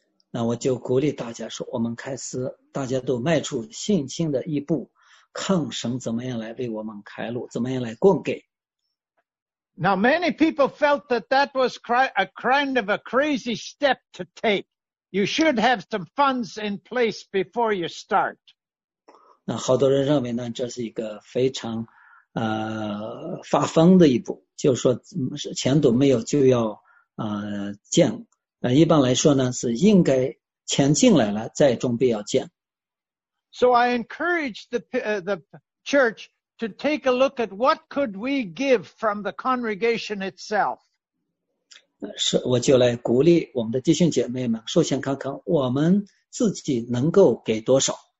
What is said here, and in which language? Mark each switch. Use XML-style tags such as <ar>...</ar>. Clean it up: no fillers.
<zh>那我就鼓励大家说，我们开始，大家都迈出信心的一步，看神怎么样来为我们开路，怎么样来供给。</zh> <en>Now many people felt that that was a kind of a crazy step to take. You should have some funds in place before you start.</en> <zh>那好多人认为呢，这是一个非常发疯的一步，就是说钱都没有就要建。那一般来说呢，是应该钱进来了再准备要建。</zh> <en>So I encouraged the church. To take a look at what could we give from the congregation itself.</en> <zh>是，我就来鼓励我们的弟兄姐妹们，首先看看我们自己能够给多少。</zh>